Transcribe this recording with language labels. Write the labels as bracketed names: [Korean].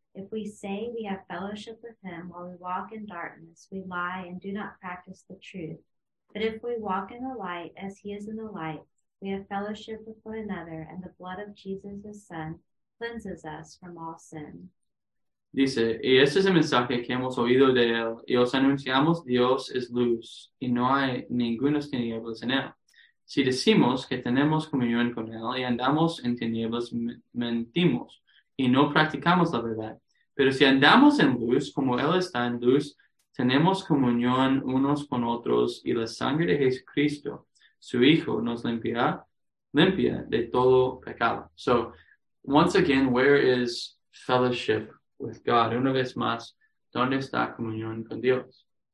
[English] If we say we have fellowship with him while we walk in darkness, we lie and do not practice the truth. But if we walk in the light as he is in the light, we have fellowship with one another, and the blood of Jesus, his son, cleanses us from all sin. [Spanish] Dice, y este es el mensaje que hemos oído de él, y os anunciamos, Dios es luz, y no hay ninguna tinieblas en él. Si decimos que tenemos comunión con él y andamos en tinieblas, mentimos y no practicamos la verdad. Pero si andamos en luz, como él está en luz, tenemos comunión unos con otros y la sangre de Jesucristo, su Hijo, nos limpia de todo pecado. [English] So, once again, where is fellowship with God? [Spanish] Una vez más, ¿dónde está comunión con Dios?